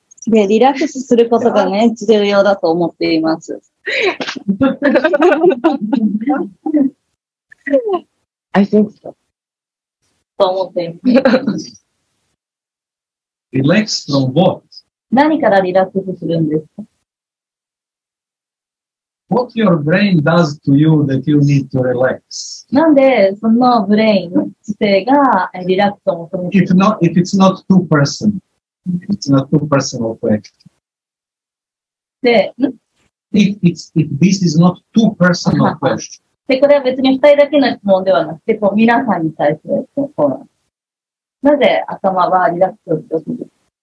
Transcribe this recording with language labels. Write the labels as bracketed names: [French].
[Japanese] でリラックスすることがね重要だと思っています。 [English] I think so. [Japanese] と思っています。 [English] Relax from what? [Japanese] 何からリラックスするんですか [English] ？What your brain does to you that you need to relax? [Japanese] なんでそのブレイン姿勢がリラックスを求めているの？ [English] If it's not too personal. It's not too personal for action. If this is not too personal question. [Japanese] で、これは別に二人だけの質問ではなくて、こう皆さんに対して、こう、なぜ頭はリラックスをしてほしいですか？